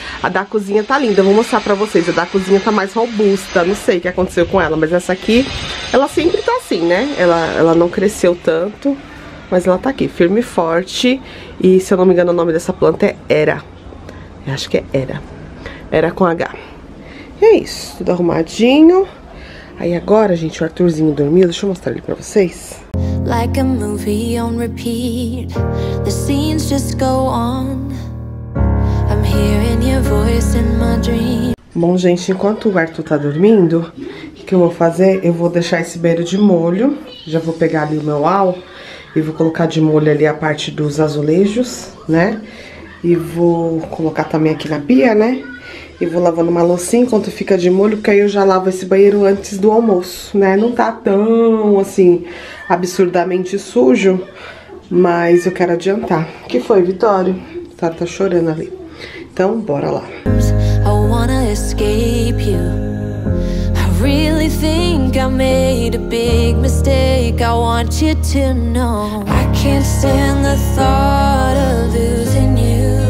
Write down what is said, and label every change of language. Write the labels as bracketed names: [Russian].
[Portuguese] A da cozinha tá linda, eu vou mostrar pra vocês. A da cozinha tá mais robusta, não sei o que aconteceu com ela, mas essa aqui, ela sempre tá assim, né? Ela não cresceu tanto, Mas ela tá aqui, firme e forte. E se eu não me engano, o nome dessa planta é Era. Eu acho que é Era. Era com H. E é isso, tudo arrumadinho. Aí agora, gente, o Arthurzinho dormiu. Deixa eu mostrar ele pra vocês. [English] Like a movie on repeat, the scenes just go on. I'm hearing your voice in my dream. [Portuguese] Bom, gente, enquanto o Arthur tá dormindo, o que eu vou fazer? Eu vou deixar esse beiro de molho. Já vou pegar ali o meu al e vou colocar de molho ali a parte dos azulejos, né? E vou colocar também aqui na pia, né? E vou lavando uma loucinha enquanto fica de molho, porque aí eu já lavo esse banheiro antes do almoço, né? Não tá tão, assim, absurdamente sujo, mas eu quero adiantar. O que foi, Vitório? Vitório tá chorando ali. Então, bora lá. [English] Escape you. I really think I made a big mistake. I want you to know. I can't stand the thought of losing you.